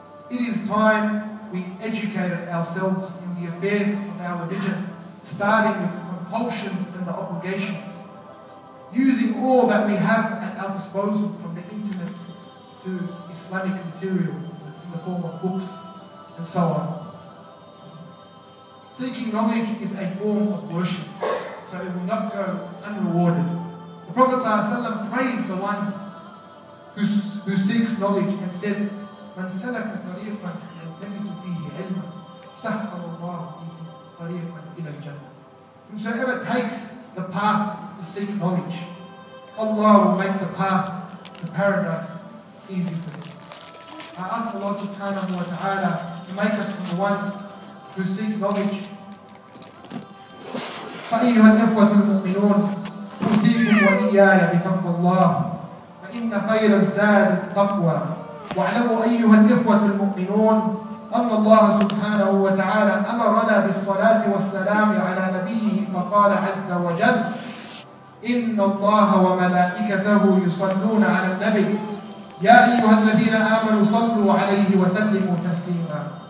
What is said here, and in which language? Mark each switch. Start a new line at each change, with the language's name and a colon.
English: It is time we educated ourselves in the affairs of our religion, starting with the compulsions and the obligations, using all that we have at our disposal, from the internet to Islamic material in the form of books and so on. Seeking knowledge is a form of worship, so it will not go unrewarded. The Prophet ﷺ praised the one who seeks knowledge and said,
Arabic: من سلك طريقا يلتمس فيه علما سهل الله به طريقا الى الجنه.
English: Whosoever takes the path to seek knowledge, Allah will make the path to paradise easy for him. I ask Allah subhanahu wa ta'ala to make us from the one who seek knowledge.
Arabic: فأيها الإخوة المؤمنون أوصيكم وإياي بتقوى الله فإن خير الزاد التقوى. واعلموا أيها الإخوة المؤمنون أن الله سبحانه وتعالى أمرنا بالصلاة والسلام على نبيه فقال عز وجل إن الله وملائكته يصلون على النبي يا أيها الذين آمنوا صلوا عليه وسلموا تسليما.